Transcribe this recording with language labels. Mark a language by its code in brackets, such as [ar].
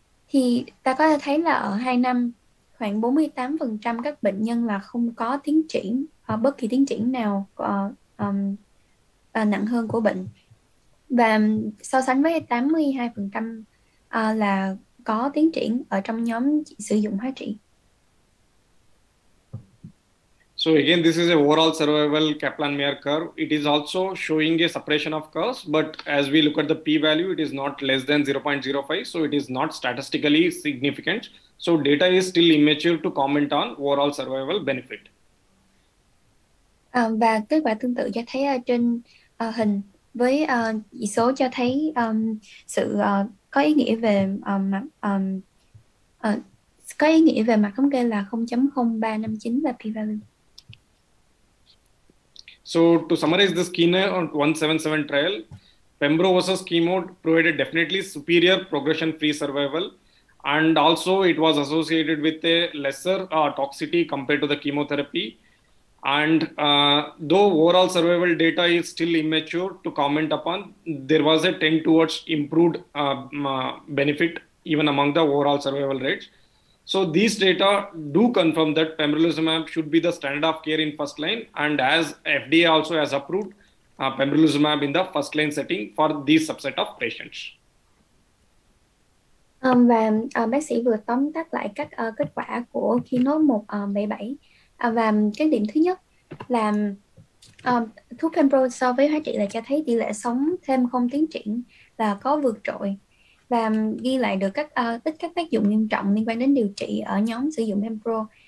[vi] Thì ta có thể thấy là ở 2 năm, khoảng 48% các bệnh nhân là không có tiến triển, bất kỳ tiến triển nào nặng hơn của bệnh. Và so sánh với 82% là có tiến triển ở trong nhóm sử dụng hóa trị. [en] So again, this is a overall survival Kaplan-Meier curve. It is also showing a separation of curves, but as we look at the p-value, it is not less than 0.05, so it is not statistically significant. So data is still immature to comment on overall survival benefit. [vi] Và kết quả tương tự cho thấy trên hình với chỉ số cho thấy sự có ý nghĩa về mặt có ý nghĩa về mặt thống kê là 0.0359 là p-value. [en] So to summarize this KEYNOTE-177 trial, pembro versus chemo provided definitely superior progression-free survival, and also it was associated with a lesser toxicity compared to the chemotherapy. And though overall survival data is still immature to comment upon, there was a tend towards improved benefit even among the overall survival rates. So these data do confirm that pembrolizumab should be the standard of care in first line, and as FDA also has approved pembrolizumab in the first line setting for these subset of patients. [vi] Và bác sĩ vừa tóm tắt lại các kết quả của KEYNOTE-177. Và cái điểm thứ nhất là thuốc pembro so với hóa trị là cho thấy tỷ lệ sống thêm không tiến triển là có vượt trội, và ghi lại được các tích các tác dụng nghiêm trọng liên quan đến điều trị ở nhóm sử dụng pembro.